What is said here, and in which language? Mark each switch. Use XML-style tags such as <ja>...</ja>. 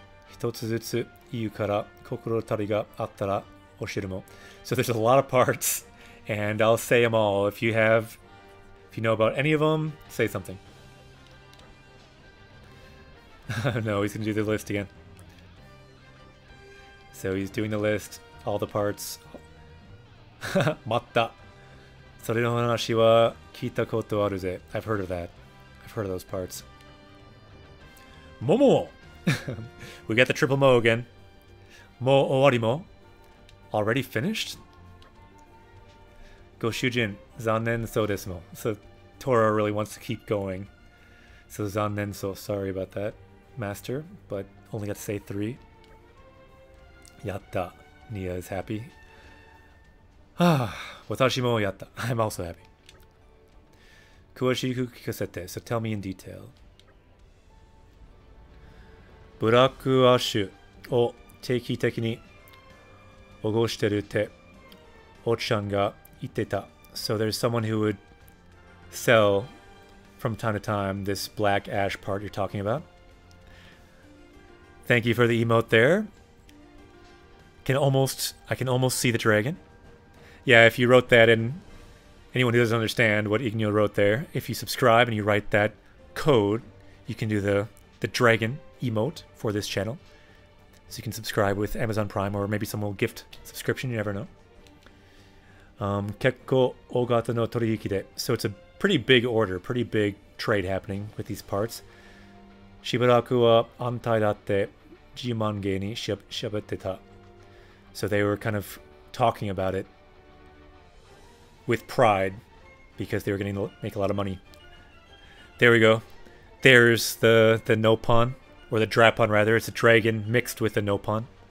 <ja>一つずつ言うから心当たりがあったら教えるも。</ja> <en>So there's a lot of parts and I'll say them all. If you have, if you know about any of them, say something. No, he's gonna do the list again. So he's doing the list, all the parts.</en> <ja>Matta. それの話は聞いたことあるぜ。</ja> <en>I've heard of that. I've heard of those parts. Momo! We got the triple mo again. Mo owari mo? Already finished? Go shujin, zannen so desu mo. So Tora really wants to keep going. So zannen so, sorry about that, master. But only got to say three. Yatta. Nia is happy. Ah, watashi mo yatta. I'm also happy. Kuwashiku kikasete, so tell me in detail.</en> <ja>ブラックアッシュを定期的に起こしてるって、おっちゃんが言ってた。</ja> <en>So there's someone who would sell from time to time this black ash part you're talking about. Thank you for the emote there. I can almost see the dragon. Yeah, if you wrote that, and anyone who doesn't understand what Igneo wrote there, if you subscribe and you write that code, you can do the dragon emote for this channel. So you can subscribe with Amazon Prime or maybe some little gift subscription, you never know.</en> <ja>結構大型の取引で。</ja> <en>So it's a pretty big order, pretty big trade happening with these parts.</en> <ja>しばらくは安泰だって自慢げにしゃ、しゃべってた。</ja> <en>So they were kind of talking about it with pride because they were going to make a lot of money. There we go. There's the no pun. Or the drapon rather, it's a dragon mixed with a no pun.</en>